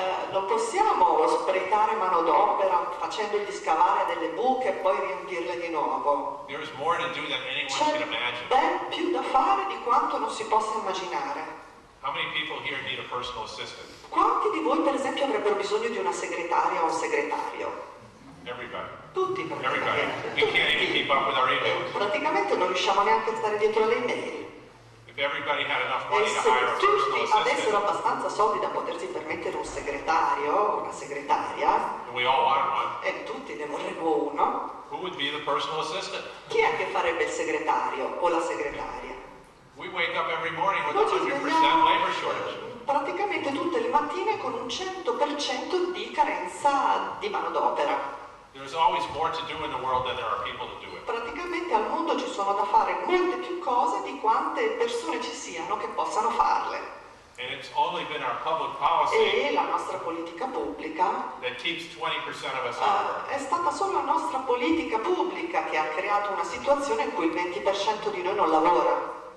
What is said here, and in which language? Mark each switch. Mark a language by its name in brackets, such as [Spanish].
[Italian] lo possiamo sprecare manodopera facendogli scavare delle buche e poi riempirle di nuovo. [English] There is more to do than anyone can imagine. [Italian] Ben più da fare di quanto non si possa immaginare. [English] How many people here need a personal assistant? [Italian] Quanti di voi, per esempio, avrebbero bisogno di una segretaria o un segretario? [English] Everybody. [Italian] Tutti, [English] everybody. We can't even keep up with our emails. [Italian] Praticamente non riusciamo neanche a stare dietro alle email. [English] If everybody had enough money to hire a [Italian] personal assistant, tutti avessero abbastanza soldi da potersi permettere un segretario o una segretaria, [English] we all want one. [Italian] E tutti ne vorremmo uno. [English] Who would be the personal assistant? [Italian] Chi è che farebbe il segretario o la segretaria? [English] We wake up every morning with 100% labor shortage. [Italian] Praticamente tutte le mattine con un 100% di carenza di manodopera. [English] There's always more to do in the world than there are people to do it. [Italian] Praticamente al mondo ci sono da fare molte più cose di quante persone ci siano che possano farle. [English] And it's only been our public policy [Italian] e la nostra politica pubblica [English] that keeps 20% of us [Italian] è stata solo la nostra politica pubblica che ha creato una situazione in cui il 20% di noi non lavora.